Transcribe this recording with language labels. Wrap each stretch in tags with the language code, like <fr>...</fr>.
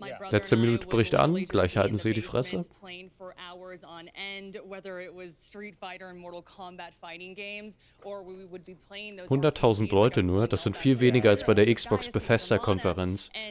<de>Letzte Minute bricht an, gleich halten sie die Fresse.</de> <en>Playing for hours on end, whether it was Street Fighter and Mortal Kombat fighting games, or we would be playing those</en> <de>100.000 Leute nur, das sind viel weniger als bei der Xbox Bethesda Konferenz.</de>